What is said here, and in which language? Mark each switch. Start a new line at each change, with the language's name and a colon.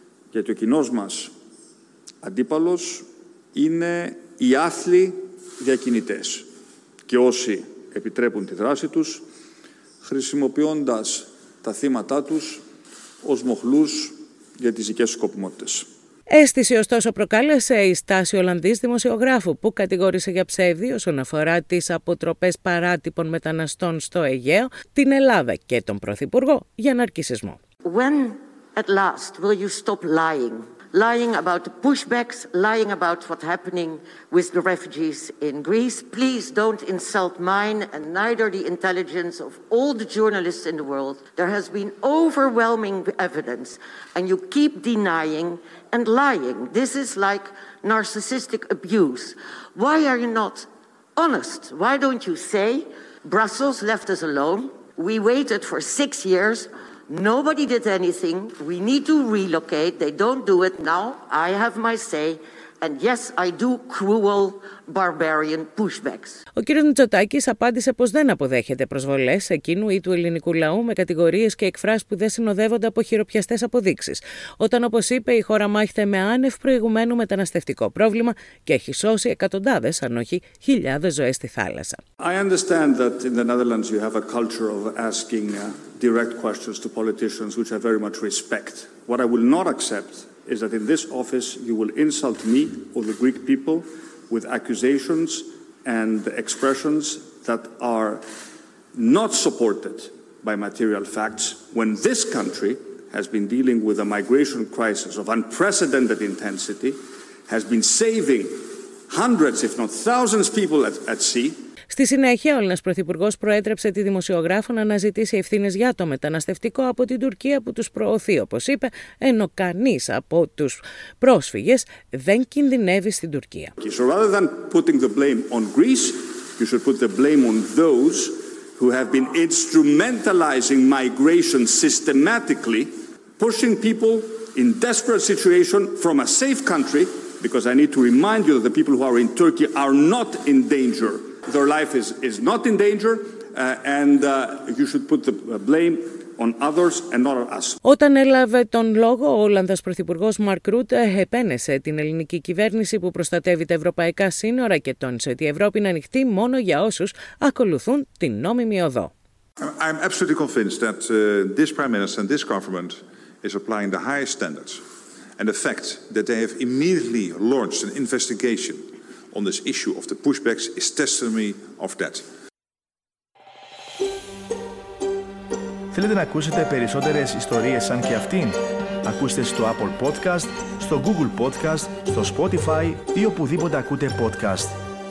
Greek: Γιατί ο κοινός μας αντίπαλος είναι οι άθλοι διακινητές και όσοι επιτρέπουν τη δράση τους χρησιμοποιώντας τα θύματα τους ως μοχλούς για τις δικές τους σκοπιμότητες. Αίσθηση ωστόσο προκάλεσε η στάση Ολλανδής δημοσιογράφου που κατηγόρησε για ψεύδι όσον αφορά τις αποτροπές παράτυπων μεταναστών στο Αιγαίο, την Ελλάδα και τον Πρωθυπουργό για ναρκισισμό.
English: When at last will you stop lying? Lying about the pushbacks, lying about what happening with the refugees in Greece. Please don't insult mine and neither the intelligence of all the journalists in the world. There has been overwhelming evidence and you keep denying and lying. This is like narcissistic abuse. Why are you not honest? Why don't you say Brussels left us alone? We waited for 6 years. Nobody did anything. We need to relocate. They don't do it now. I have my say. And yes, I do cruel, barbarian pushbacks.
Greek: Ο κ. Μητσοτάκης απάντησε πως δεν αποδέχεται προσβολές εκείνου ή του ελληνικού λαού με κατηγορίες και εκφράσεις που δεν συνοδεύονται από χειροπιαστές αποδείξεις. Όταν, όπως είπε, η χώρα μάχεται με άνευ προηγουμένου μεταναστευτικό πρόβλημα και έχει σώσει εκατοντάδες, αν όχι χιλιάδες ζωές στη θάλασσα.
English: I understand that in the Netherlands you have a culture of asking direct questions to politicians, which I very much respect. What I will not accept is that in this office you will insult me or the Greek people with accusations and expressions that are not supported by material facts when this country has been dealing with a migration crisis of unprecedented intensity, has been saving hundreds if not thousands people at sea.
Greek: Στη συνέχεια, ο Έλληνας Πρωθυπουργός προέτρεψε τη δημοσιογράφο να αναζητήσει ευθύνες για το μεταναστευτικό από την Τουρκία που τους προωθεί, όπως είπε, ενώ κανείς από τους πρόσφυγες δεν κινδυνεύει στην Τουρκία.
English: So rather than putting the blame on Greece, you should put the blame on those who have been instrumentalizing migration systematically, pushing people in desperate situation from a safe country, because I need to remind you that the people who are in Turkey are not in danger. Their life is not in danger and you should put the blame on others and not on us.
Greek: Όταν έλαβε τον λόγο, ο Ολλανδός Πρωθυπουργός Μαρκ Ρούτε επένεσε την ελληνική κυβέρνηση που προστατεύει τα ευρωπαϊκά σύνορα και τόνισε ότι η Ευρώπη είναι ανοιχτή μόνο για όσους ακολουθούν την νόμιμη οδό.
English: I'm absolutely convinced that this Prime Minister and this government is applying the highest standards and the fact that they have immediately launched an investigation on this issue of the pushbacks is testimony of that.
Greek: Θέλετε να ακούσετε περισσότερες ιστορίες σαν και αυτήν; Ακούστε στο Apple Podcast, στο Google Podcast, στο Spotify ή οπουδήποτε ακούτε podcast.